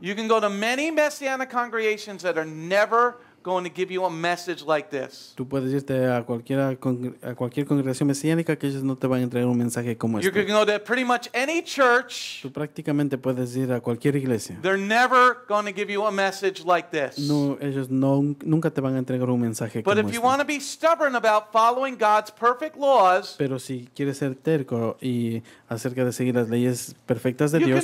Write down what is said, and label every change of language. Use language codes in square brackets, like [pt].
[en] You can go to many Messianic congregations that are never going to give you a message like this. [es] Tú puedes irte a cualquier congregación mesiánica que ellos no te van a entregar un mensaje como este. [en] You can go to pretty much any church. [es] Tú prácticamente puedes ir a cualquier iglesia. [en] They're never going to give you a message like this. [es] No, ellos no nunca te van a entregar un mensaje como este. [en] But if you want to be stubborn about following God's perfect laws, [es] pero si quieres ser terco y acerca de seguir las leyes perfectas de Dios,